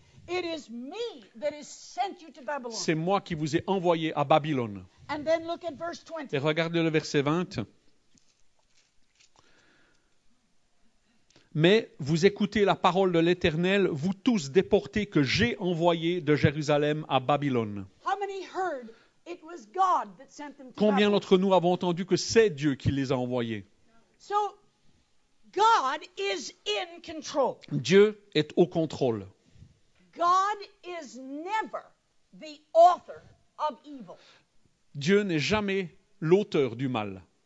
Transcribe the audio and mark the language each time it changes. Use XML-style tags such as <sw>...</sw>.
<en>It is me that has sent you to Babylon.</en> <fr>C'est moi qui vous ai envoyé à Babylone.</fr> <en>And then look at verse 20.</en> <fr>Et regardez le verset 20. Mais vous écoutez la parole de l'Éternel, vous tous déportés que j'ai envoyés de Jérusalem à Babylone.</fr> <en>How many heard it was God that sent them to Babylon?</en> <fr>Combien d'entre nous avons entendu que c'est Dieu qui les a envoyés?</fr> <en>So, God is in control.</en> <fr>Dieu est au contrôle.</fr> <en>God is never the author of evil.</en> <fr>Dieu n'est jamais l'auteur du mal.</fr>